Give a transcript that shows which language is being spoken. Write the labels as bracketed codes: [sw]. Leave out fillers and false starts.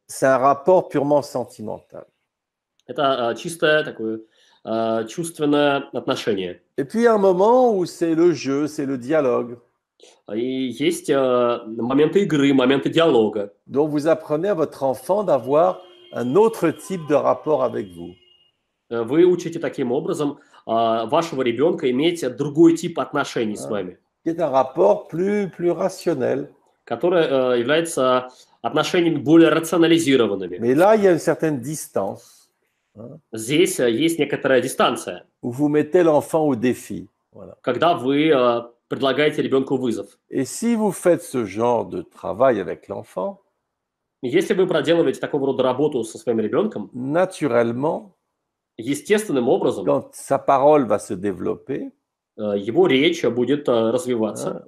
[fr] C'est un rapport purement sentimental. [ru] Это чистое такое чувственное отношение. [fr] Et puis un moment où c'est le jeu, c'est le dialogue. [ru] И есть моменты игры, моменты диалога. [fr] Donc vous apprenez à votre enfant d'avoir un autre type de rapport avec vous. [ru] Вы учите таким образом вашего ребенка иметь другой тип отношений с вами. [fr] C'est un rapport plus rationnel. [ru] Который является отношениями более рационализированными. [fr] Mais là, il y a une certaine distance. [ru] Здесь есть некоторая дистанция. [fr] Vous mettez l'enfant au défi. Voilà. [ru] Когда вы предлагаете ребенку вызов. [fr] Et si vous faites ce genre de travail avec l'enfant, [ru] если вы проделываете такого рода работу со своим ребенком, [fr] naturellement, [ru] естественным образом, [fr] quand sa parole va se développer, [ru] его речь будет развиваться,